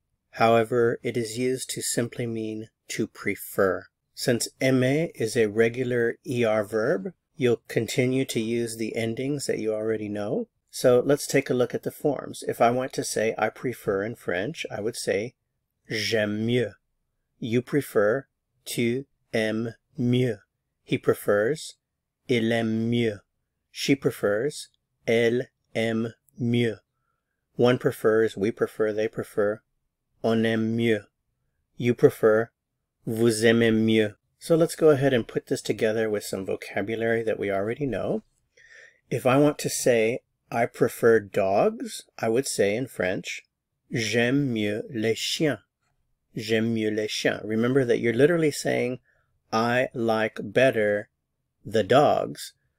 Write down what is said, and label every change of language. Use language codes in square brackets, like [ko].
[en] However, it is used to simply mean to prefer. Since aimer is a regular ER verb, you'll continue to use the endings that you already know. So let's take a look at the forms. If I want to say I prefer in French, I would say [fr] j'aime mieux. [en] You prefer, [fr] tu aimes mieux. [en] He prefers, [fr] il aime mieux. [en] She prefers, [fr] elle aime mieux. [en] One prefers, we prefer, they prefer, [fr] on aime mieux. [en] You prefer, [fr] vous aimez mieux. [en] So let's go ahead and put this together with some vocabulary that we already know. If I want to say, I prefer dogs, I would say in French, [fr] j'aime mieux les chiens. J'aime mieux les chiens. [en] Remember that you're literally saying, I like better the dogs.